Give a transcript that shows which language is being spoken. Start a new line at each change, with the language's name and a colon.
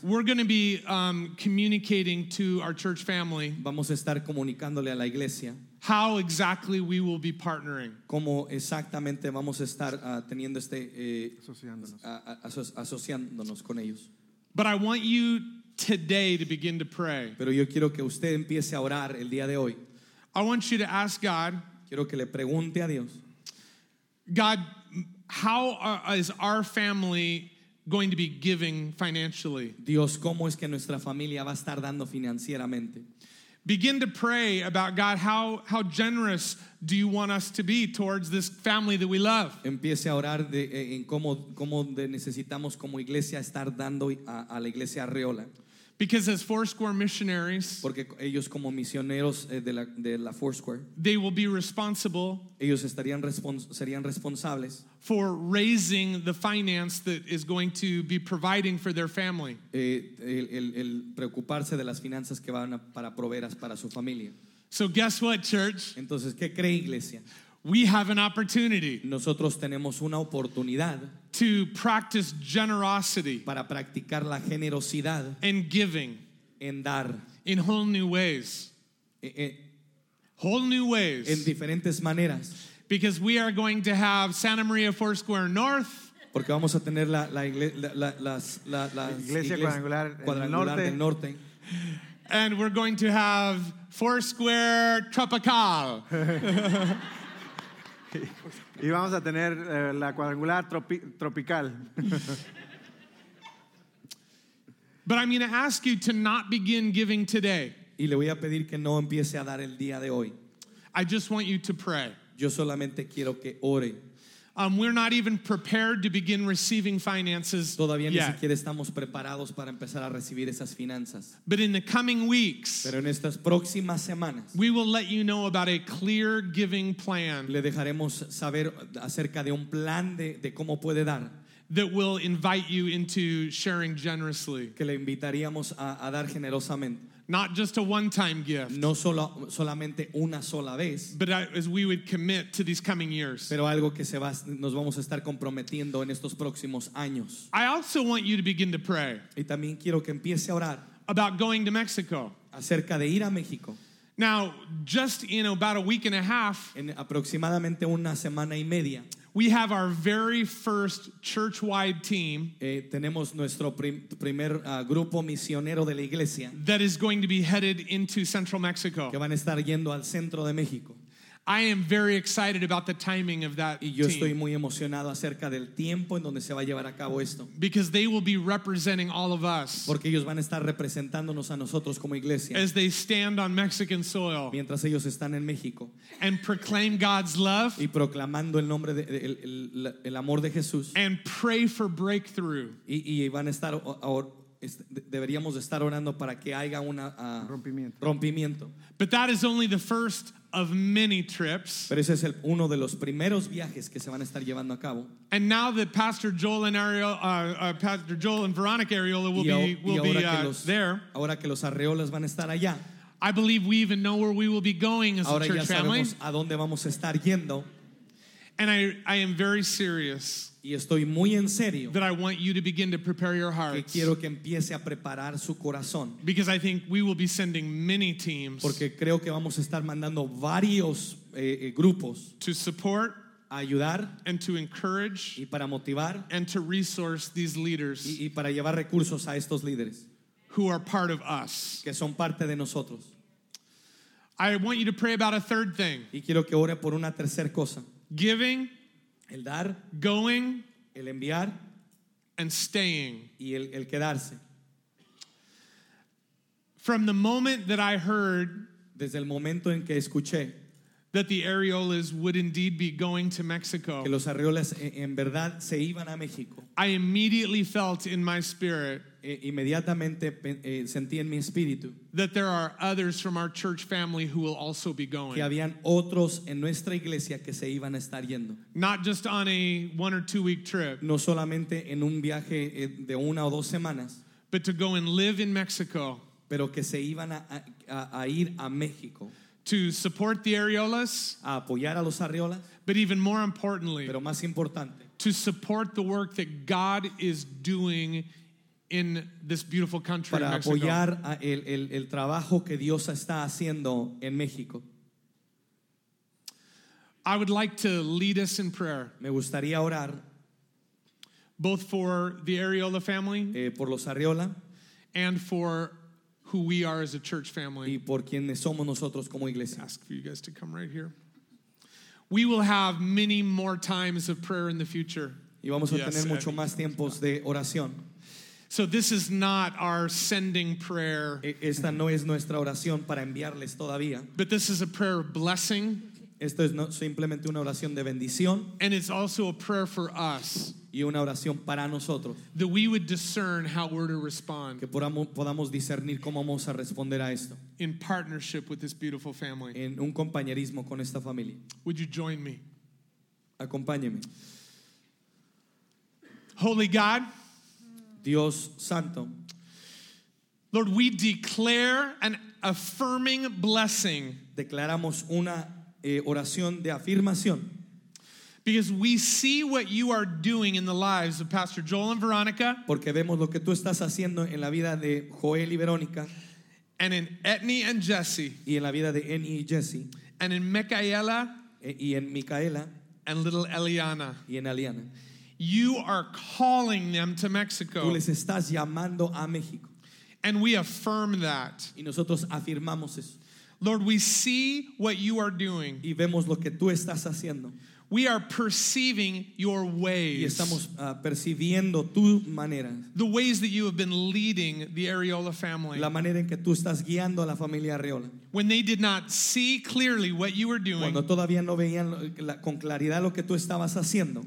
English: we're going to be communicating to our church family.
Spanish: Vamos a estar comunicándole a la iglesia.
English: How exactly we will be partnering?
Spanish: Cómo exactamente vamos a estar teniendo este asociándonos con ellos.
English: But I want you today to begin to pray.
Spanish: Pero yo quiero que usted empiece a orar el día de hoy.
English: I want you to ask God.
Spanish: Quiero que le pregunte a Dios.
English: God. How is our family going to be giving financially?
Spanish: Dios, ¿cómo es que nuestra familia va a estar dando financieramente?
English: Begin to pray about God. How generous do you want us to be towards this family that we love?
Spanish: Empiece a orar en cómo necesitamos como iglesia estar dando a la iglesia Arreola.
English: Because as Foursquare missionaries,
Spanish: porque ellos como misioneros de la Foursquare,
English: they will be responsible.
Spanish: Ellos estarían serían responsables
English: for raising the finance that is going to be providing for their family.
Spanish: El preocuparse de las finanzas que van para proveer para su familia.
English: So guess what, church?
Spanish: Entonces, ¿qué cree, iglesia?
English: We have an opportunity.
Spanish: Nosotros tenemos una oportunidad.
English: To practice generosity.
Spanish: Para practicar la generosidad.
English: And giving.
Spanish: En dar.
English: In whole new ways. Whole new ways.
Spanish: En diferentes maneras.
English: Because we are going to have Santa Maria Foursquare North.
Spanish: Porque vamos a tener la iglesia cuadrangular del norte.
English: And we're going to have Foursquare Tropical.
Spanish: Y vamos a tener la cuadrangular tropical.
English: But I'm going to ask you to not begin giving today.
Spanish: Y le voy a pedir que no empiece a dar el día de hoy.
English: I just want you to pray.
Spanish: Yo solamente quiero que ore.
English: We're not even prepared to begin receiving finances.
Spanish: Todavía
English: yet.
Spanish: Ni siquiera estamos preparados para empezar a recibir esas finanzas.
English: But in the coming weeks,
Spanish: pero en estas próximas semanas,
English: we will let you know about a clear giving plan.
Spanish: Le dejaremos saber acerca de un plan de cómo puede dar.
English: That will invite you into sharing generously.
Spanish: Que le invitaríamos a dar generosamente.
English: Not just a one-time gift.
Spanish: No solamente una sola vez.
English: But as we would commit to these coming years.
Spanish: Pero algo que nos vamos a estar comprometiendo en estos próximos años.
English: I also want you to begin to pray.
Spanish: Y también quiero que empiece a orar.
English: About going to Mexico.
Spanish: Acerca de ir a México.
English: Now, just in about a week and a half.
Spanish: En aproximadamente una semana y media.
English: We have our very first church-wide team.
Spanish: Tenemos nuestro primer grupo misionero de la iglesia.
English: That is going to be headed into Central Mexico.
Spanish: Que van a estar yendo al centro de México.
English: I am very excited about the timing of that team.
Spanish: Y yo estoy muy emocionado acerca del tiempo en donde se va a llevar a cabo esto.
English: Because they will be representing all of us.
Spanish: Porque ellos van a estar representándonos a nosotros como iglesia.
English: As they stand on Mexican soil.
Spanish: Mientras ellos están en México.
English: And proclaim God's love.
Spanish: Y proclamando el nombre de el amor de Jesús.
English: And pray for breakthrough.
Spanish: Y van a estar deberíamos estar orando para que haya una rompimiento.
English: But that is only the first of many trips.
Spanish: Pero ese es uno de los primeros viajes que se van a estar llevando a cabo.
English: And now that Pastor Joel and Veronica Areola will be there.
Spanish: Ahora que los Arreolas van a estar allá.
English: I believe we even know where we will be going as
Spanish: ahora
English: a church
Spanish: ya sabemos
English: family.
Spanish: A dónde vamos a estar yendo.
English: And I am very serious.
Spanish: Y estoy muy en serio.
English: That I want you to begin to prepare your hearts.
Spanish: Que quiero que empiece a preparar su corazón.
English: Because I think we will be sending many teams.
Spanish: Porque creo que vamos a estar mandando varios grupos.
English: To support.
Spanish: Ayudar.
English: And to encourage.
Spanish: Y para motivar.
English: And to resource these leaders.
Spanish: Y para llevar recursos a estos líderes.
English: Who are part of us.
Spanish: Que son parte de nosotros.
English: I want you to pray about a third thing.
Spanish: Y quiero que ore por una tercer cosa.
English: Giving.
Spanish: El dar.
English: Going.
Spanish: El enviar.
English: And staying.
Spanish: Y el quedarse.
English: From the moment that I heard.
Spanish: Desde el momento en que escuché.
English: That the Arreolas would indeed be going to Mexico.
Spanish: Que los Arreolas en verdad se iban a México.
English: I immediately felt in my spirit.
Spanish: Inmediatamente sentí en mi espíritu.
English: That there are others from our church family who will also be going.
Spanish: Que habían otros en nuestra iglesia que se iban a estar yendo.
English: Not just on a 1 or 2 week trip.
Spanish: No solamente en un viaje de una o dos semanas.
English: But to go and live in Mexico.
Spanish: Pero que se iban a ir a México.
English: To support the Arreolas,
Spanish: a apoyar a los Arreolas,
English: but even more importantly,
Spanish: pero más importante,
English: to support the work that God is doing in this beautiful country,
Spanish: para apoyar el trabajo que Dios está haciendo en México.
English: I would like to lead us in prayer.
Spanish: Me gustaría orar,
English: both for the Arreola family,
Spanish: por los Arreola,
English: and for who we are as a church family.
Spanish: Y por quienes somos nosotros como iglesia.
English: Ask for you guys to come right here. We will have many more times of prayer in the future.
Spanish: Y vamos a tener mucho más tiempos de oración.
English: So this is not our sending prayer.
Spanish: Esta no es nuestra oración para enviarles todavía.
English: But this is a prayer of blessing.
Spanish: Esto es no simplemente una oración de bendición.
English: And it's also a prayer for us.
Spanish: Y una oración para nosotros.
English: That we would discern how we're to respond.
Spanish: Que podamos discernir cómo vamos a responder a esto.
English: In partnership with this beautiful family.
Spanish: En un compañerismo con esta familia.
English: Would you join me?
Spanish: Acompáñeme.
English: Holy God.
Spanish: Dios Santo.
English: Lord, we declare an affirming blessing.
Spanish: Declaramos una oración de afirmación.
English: Because we see what you are doing in the lives of Pastor Joel and Veronica.
Spanish: Porque vemos lo que tú estás haciendo en la vida de Joel y Verónica.
English: And in Etni and Jesse.
Spanish: Y en la vida de Etni y Jesse.
English: And in Micaela.
Spanish: Y en Micaela.
English: And little Eliana.
Spanish: Y en Eliana.
English: You are calling them to Mexico.
Spanish: Tú les estás llamando a México.
English: And we affirm that.
Spanish: Y nosotros afirmamos eso.
English: Lord, we see what you are doing.
Spanish: Y vemos lo que tú estás haciendo.
English: We are perceiving your ways.
Spanish: Y estamos percibiendo tu manera.
English: The ways that you have been leading the Arreola family.
Spanish: La manera en que tú estás guiando a la familia Arreola.
English: When they did not see clearly what you were doing.
Spanish: Cuando todavía no veían con claridad lo que tú estabas haciendo.